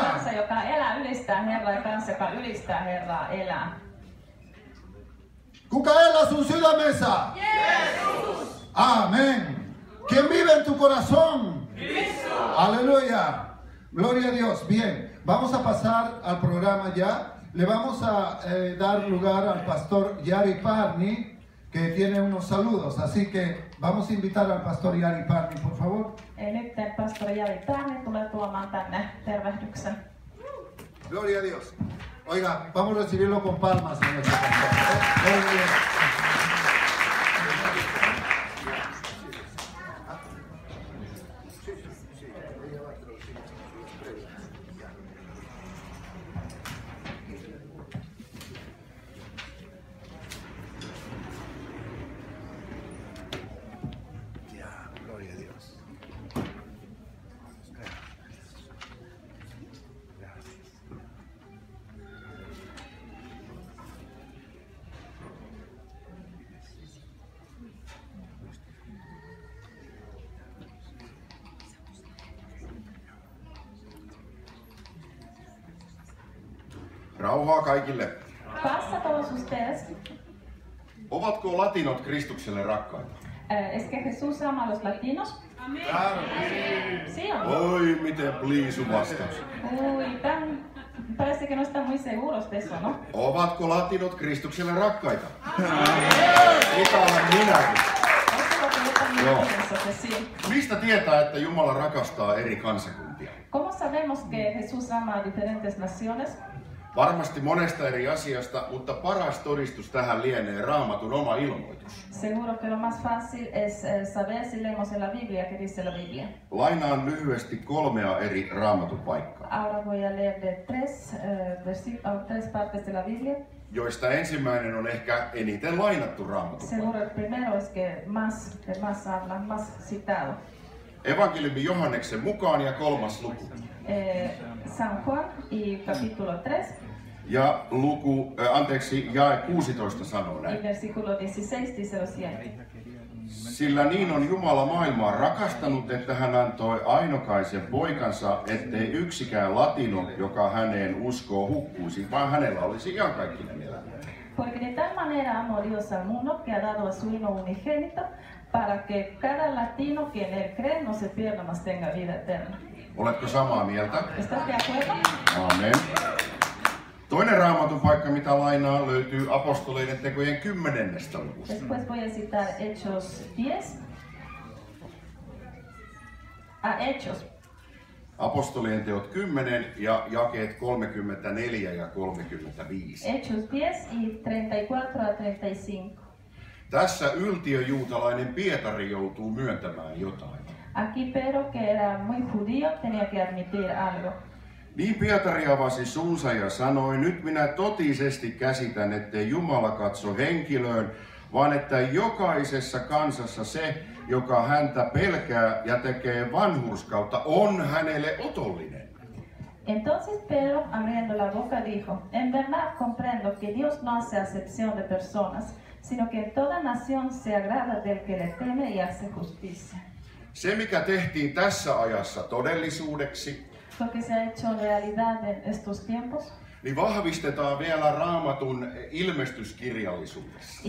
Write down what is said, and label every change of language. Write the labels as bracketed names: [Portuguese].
[Finnish] Kansa, joka elää, ylistää Herraa, ja kansa, joka ylistää Herraa, elää. ¿Kuka elää sun sydämessä? [Spanish] ¡Jesús! ¡Amén! ¿Quién vive en tu corazón? ¡Cristo! ¡Aleluya! ¡Gloria a Dios! Bien, vamos a pasar al programa ya. Le vamos a dar lugar al pastor Yari Parni, que tiene unos saludos. Así que vamos a invitar al pastor Yari Parni, por favor. [Finnish] Nyt pastor Yari Parni tulee tuomaan tänne tervehdyksen. [Spanish] ¡Gloria a Dios! Oiga, vamos a recibirlo con palmas. ¡Gloria! [Finnish] Rauhaa kaikille. Passa tosus tees. Ovatko latinot Kristukselle rakkaita? [Spanish] Es que Jesús ama los latinos. Amén. [Finnish] Oi, miten pliisu vastaus. [Spanish] Ui, tän parece que no está muy seguro de eso, ¿no? [Finnish] Ovatko latinot Kristukselle rakkaita? [Spanish] Amén. [Finnish] Mitä olen minäkin? Ovatko latinot Kristukselle rakkaita? Mistä tietää, että Jumala rakastaa eri kansakuntia? [Spanish] ¿Cómo sabemos que Jesús ama diferentes naciones? [Finnish] Varmasti monesta eri asiasta, mutta paras todistus tähän lienee Raamatun oma ilmoitus. [Spanish] Seguro que lo más fácil es saber si leemos en la Biblia, que dice la Biblia. [Finnish] Lainaan lyhyesti kolmea eri Raamatun paikkaa. [Spanish] Ahora voy a leer de tres partes de la Biblia. [Finnish] Joista ensimmäinen on ehkä eniten lainattu Raamatun paikka. [Spanish] Seguro el primero es que más habla, más citado. [Finnish] Evankeliumi Johanneksen mukaan ja kolmas luku. [Spanish] San Juan y capítulo 3. [Finnish] Ja luku, jae 16 sanoo näin. [Spanish] Versículo 16 dice lo siguiente. [Finnish] Sillä niin on Jumala maailmaa rakastanut, että hän antoi ainokaisen poikansa, ettei yksikään latino, joka häneen uskoo, hukkuisi, vaan hänellä olisi iankaikkinen elämä. [Spanish] Porque de tal manera amó Dios al mundo, que ha dado a su hijo unigénito, para que cada latino que en él cree no se pierda, mas tenga vida eterna. [Finnish] Oletko samaa mieltä? [Spanish] ¿Estás de acuerdo? Amen. [Finnish] Toinen Raamatun paikka, mitä lainaa, löytyy Apostoleiden tekojen 10. luvusta. [Spanish] Después voy a citar Hechos 10. Hechos. [Finnish] Apostolien teot 10 ja jakeet 34 ja 35. [Spanish] Hechos 10 y 34 a 35. [Finnish] Tässä yltiöjuutalainen Pietari joutuu myöntämään jotain. [Spanish] Aquí Pedro, que era muy judío, tenía que admitir algo. [Finnish] Niin Pietari avasi suunsa ja sanoi, nyt minä totisesti käsitän, ettei Jumala katso henkilöön, vaan että jokaisessa kansassa se, joka häntä pelkää ja tekee vanhurskautta, on hänelle otollinen. [Spanish] Entonces Pedro, abriendo la boca, dijo, en verdad comprendo que Dios no hace acepción de personas, sino que toda nación se agrada del que le teme y hace justicia. [Finnish] Se, mikä tehtiin tässä ajassa todellisuudeksi, [Spanish] porque se ha hecho realidad en estos tiempos, [Finnish] niin vahvistetaan vielä Raamatun ilmestyskirjallisuudessa.